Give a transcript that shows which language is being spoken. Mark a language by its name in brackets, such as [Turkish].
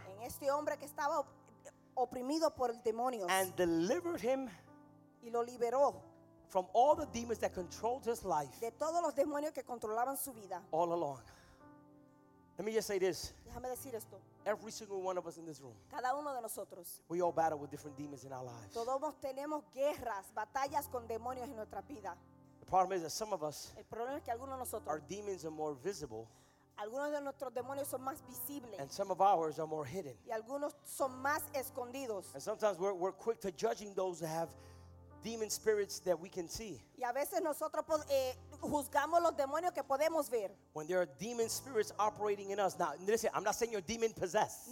[Spanish] En este hombre que estaba oprimido por el demonio. [English] And delivered him. [Spanish] Y lo liberó. [English] From all the demons that controlled his life. [Spanish] De todos los demonios que controlaban su vida. [English] All along. Let me just say this. [Spanish] Déjame decir esto. [English] Every single one of us in this room. [Spanish] Cada uno de nosotros. [English] We all battle with different demons in our lives. [Spanish] Todos tenemos guerras, batallas con demonios en nuestra vida. [English] The problem is that some of us, [Spanish] el problema es que algunos de nosotros, [English] our demons are more visible, [Spanish] algunos de nuestros demonios son más visibles, [English] and some of ours are more hidden, [Spanish] y algunos son más escondidos, [English] and sometimes we're quick to judging those that have demon spirits that we can see. [Spanish] Y a veces nosotros juzgamos los demonios que podemos ver. [English] When there are demon spirits operating in us, now listen, I'm not saying you're demon possessed.